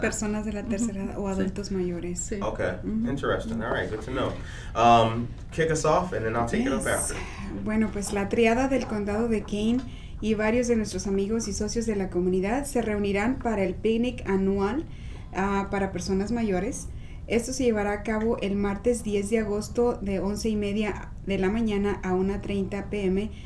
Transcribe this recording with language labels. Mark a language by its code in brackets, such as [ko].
[es] Personas de la tercera edad, o adultos mayores. Sí. [en] Okay, interesting. All right, good to know. Kick us off, and then I'll take it up after. [es] Bueno, pues la triada del condado de Kane y varios de nuestros amigos y socios de la comunidad se reunirán para el picnic anual para personas mayores. Esto se llevará a cabo el martes 10 de agosto de 11:30 de la mañana a 1:30 p.m.